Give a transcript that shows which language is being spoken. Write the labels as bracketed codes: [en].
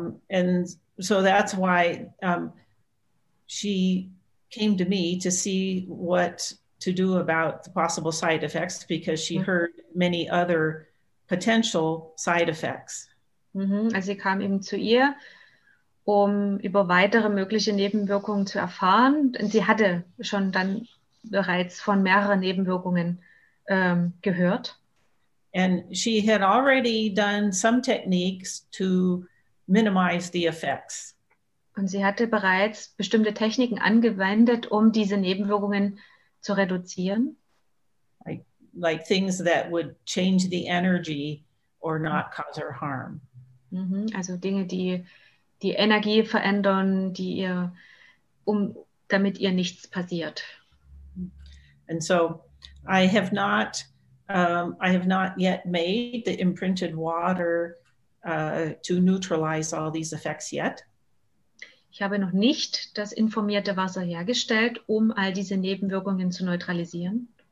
[en] And so that's why she came to me to see what to do about the possible side effects, because she heard many other potential side effects. Mm-hmm. [de] Also sie kam eben zu ihr, um über weitere mögliche Nebenwirkungen zu erfahren. Und sie hatte schon dann bereits von mehreren Nebenwirkungen gehört. [en] And she had already done some techniques to minimize the effects. [de] Und sie hatte bereits bestimmte Techniken angewendet, um diese Nebenwirkungen zu reduzieren. [en] Like things that would change the energy or not cause her harm. Mm-hmm. [de] Also Dinge, die die Energie verändern, die ihr, damit ihr nichts passiert. [en] And so I have not yet made the imprinted water to neutralize all these effects yet. [de] Ich habe noch nicht das informierte Wasser hergestellt, um all diese Nebenwirkungen zu neutralisieren.